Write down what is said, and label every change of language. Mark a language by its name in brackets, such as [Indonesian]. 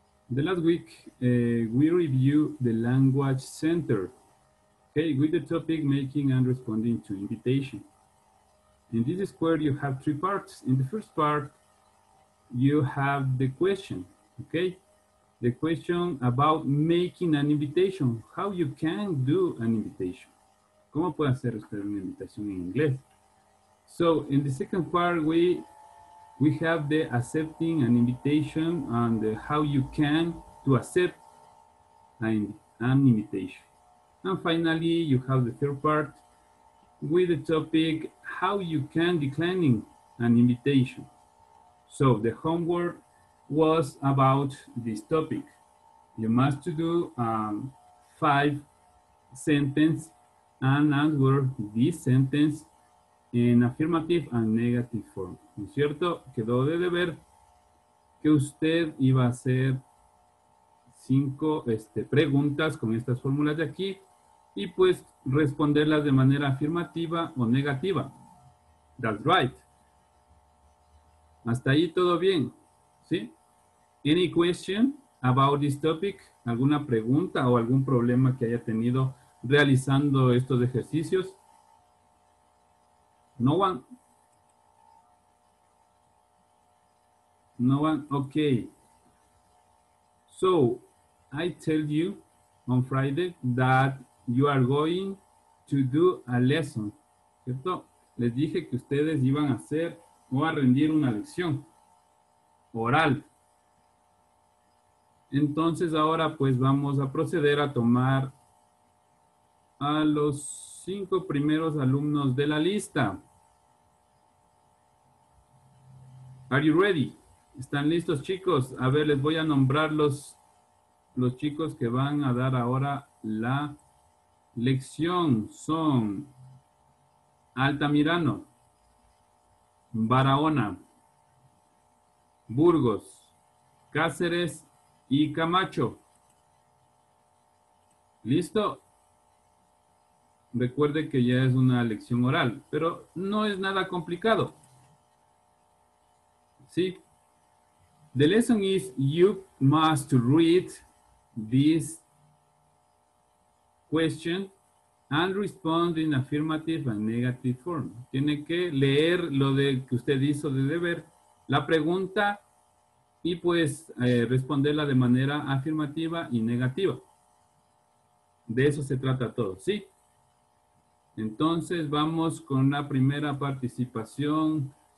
[English] The last week, we reviewed the language center, okay, with the topic making and responding to invitation. In this square, you have three parts. In the first part, you have the question, okay? The question about making an invitation, how you can do an invitation. [Spanish] ¿Cómo puede hacer usted una invitación en inglés? [English] So, in the second part, we have the accepting an invitation and how you can to accept an invitation. And finally, you have the third part with the topic, how you can decline an invitation. So the homework was about this topic. You must do 5 sentences and answer this sentence en affirmative and negative form. [Spanish] ¿No es cierto? Quedó de deber que usted iba a hacer 5 preguntas con estas fórmulas de aquí y pues responderlas de manera afirmativa o negativa. That's right. Hasta ahí todo bien, ¿sí? [English] Any question about this topic? [Spanish] ¿Alguna pregunta o algún problema que haya tenido realizando estos ejercicios? [English] No one. No one, okay. So, I tell you on Friday that you are going to do a lesson, ¿cierto? [Spanish] Les dije que ustedes iban a hacer o a rendir una lección oral. Entonces, ahora pues vamos a proceder a tomar a los 5 primeros alumnos de la lista. Are you ready? ¿Están listos, chicos? A ver, les voy a nombrar los chicos que van a dar ahora la lección. Son Altamirano, Barahona, Burgos, Cáceres y Camacho. ¿Listo? Recuerde que ya es una lección oral, pero no es nada complicado. ¿Sí? [English] The lesson is you must read this question and respond in affirmative and negative form. [Spanish] Tiene que leer lo de que usted hizo de deber, la pregunta y pues responderla de manera afirmativa y negativa. De eso se trata todo, ¿sí? Entonces vamos con la primera participación.